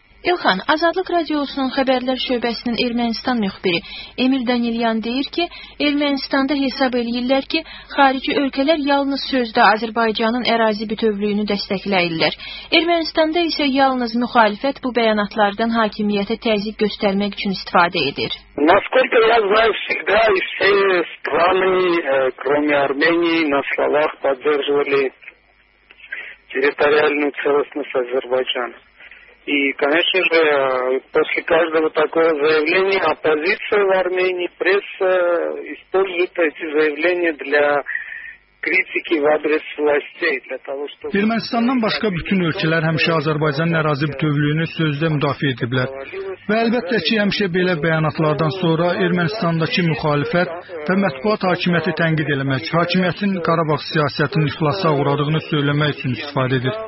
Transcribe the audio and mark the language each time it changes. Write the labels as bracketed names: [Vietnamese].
[Azerbaijani] İlxan, Azadlıq Radiosunun Xəbərlər Şöbəsinin Ermənistan müxbiri Emil Danilyan deyir ki, Ermənistanda hesab eləyirlər ki, xarici ölkələr yalnız sözdə Azərbaycanın ərazi bütövlüyünü dəstəkləyirlər. Ermənistanda isə yalnız müxalifət bu bəyanatlardan hakimiyyətə təzyiq göstərmək üçün istifadə edir. [Russian] Насколько я знаю, всегда и все страны, кроме Армении, на словах поддерживали территориальную целостность Азербайджана. И, конечно же, после каждого такого заявления оппозиция в Армении, пресса использует эти заявления для [Azerbaijani] kritiki və adres vasitəsilə. Ermənistandan başqa bütün ölkələr həmişə Azərbaycanın ərazi bütövlüyünü sözdə müdafiə ediblər. Və əlbəttə ki, həmişə belə bəyanatlardan sonra Ermənistandakı müxalifət və mətbuat hakimiyyəti tənqid eləmək, hakimiyyətin Qarabağ siyasətinin iflasa uğradığını söyləmək üçün istifadə edir.